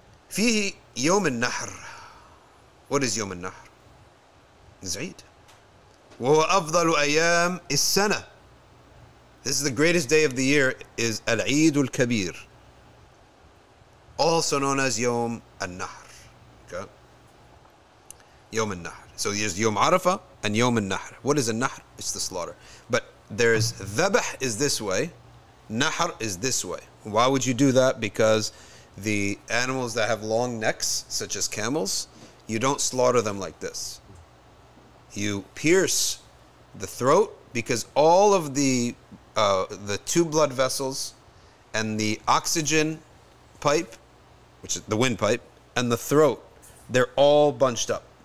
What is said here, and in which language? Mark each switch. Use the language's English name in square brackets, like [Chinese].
[English] Fihi Yawm al-Nahr. What is Yawm al-Nahr? Zaid. [Arabic] وَهُوَ أَفْضَلُ أَيَّامِ السَّنَةِ. [English] This is the greatest day of the year, is العيد الكبير, also known as يوم النحر. Okay. يوم النحر. So there's يوم عرفة and يوم النحر. What is النحر? It's the slaughter. But there's ذبح is this way, نحر is this way. Why would you do that? Because the animals that have long necks, such as camels, you don't slaughter them like this. You pierce the throat, because all of the two blood vessels and the oxygen pipe, which is the windpipe, and the throat, they're all bunched up.